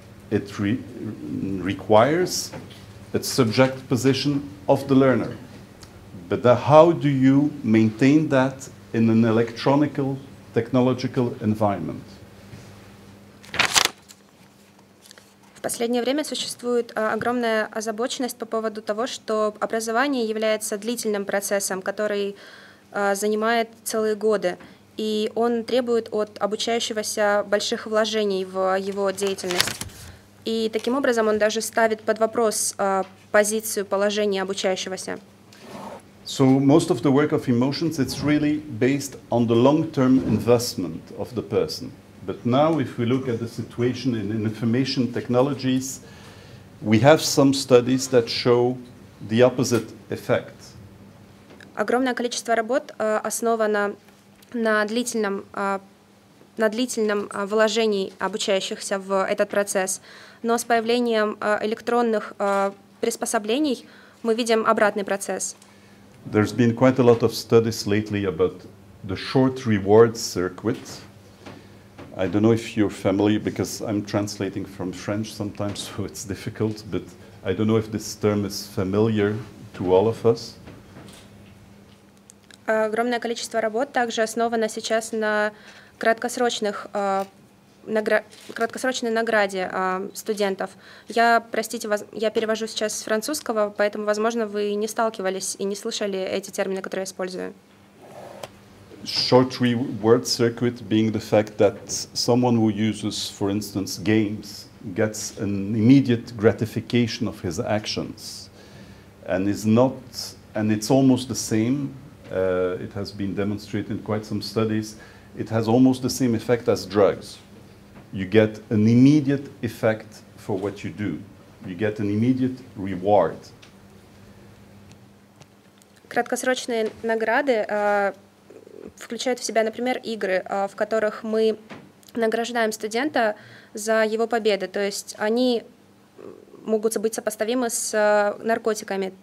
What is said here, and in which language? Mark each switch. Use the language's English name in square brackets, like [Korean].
[English] It requires a subject position of the learner. But how do you maintain that in an electronical technological environment? [Russian] В последнее время существует огромная озабоченность по поводу того, что образование является длительным процессом, который занимает целые годы, и он требует от обучающегося больших вложений в его деятельность. И таким образом он даже ставит под вопрос позицию, положение обучающегося. [English] So most of the work of emotions, it's really based on the long-term investment of the person. But now if we look at the situation in information technologies, we have some studies that show the opposite effect. [Russian] Огромное количество работ основано на длительном вложении обучающихся в этот процесс. Но с появлением электронных приспособлений мы видим обратный процесс. [English] There's been quite a lot of studies lately about the short reward circuit. I don't know if you're familiar, because I'm translating from French sometimes, so it's difficult, but I don't know if this term is familiar to all of us. [Russian] Огромное количество работ также основано сейчас на краткосрочной награде студентов. Я перевожу сейчас с французского, поэтому, возможно, вы не сталкивались и не слышали эти термины, которые я использую. [English] Short reward circuit being the fact that someone who uses, for instance, games gets an immediate gratification of his actions and is not, and it's almost the same. It has been demonstrated in quite some studies. It has almost the same effect as drugs. You get an immediate effect for what you do. You get an immediate reward. [Russian] Краткосрочные награды включают в себя, например, игры, в которых мы награждаем студента за его победы. То есть они могут быть сопоставимы с наркотиками.